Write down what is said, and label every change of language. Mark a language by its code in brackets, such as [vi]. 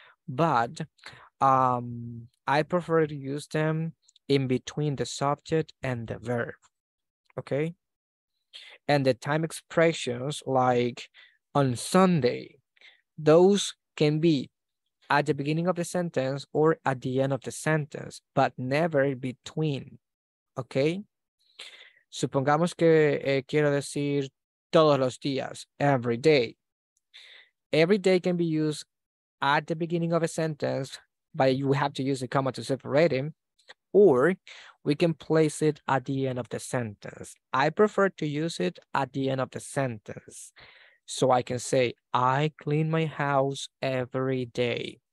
[en] But I prefer to use them in between the subject and the verb, okay? And the time expressions like on Sunday, those can be at the beginning of the sentence or at the end of the sentence, but never between, okay? [es] Supongamos que quiero decir todos los días, [en] every day. Every day can be used at the beginning of a sentence, but you have to use a comma to separate it, or we can place it at the end of the sentence. I prefer to use it at the end of the sentence. So I can say, I clean my house every day.